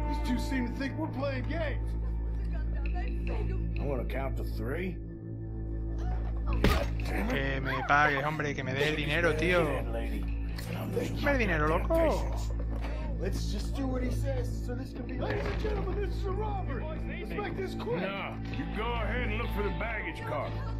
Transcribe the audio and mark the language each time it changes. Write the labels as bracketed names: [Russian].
[English] These two seem to think we're playing games. I want to count to three. [Spanish] Que me pague, hombre, que me dé el dinero, tío. Dame el dinero, loco. [English] Let's just do what he says, so this can be... Ladies and gentlemen, this is a robbery. Let's make this quick. No, you go ahead and look for the baggage car.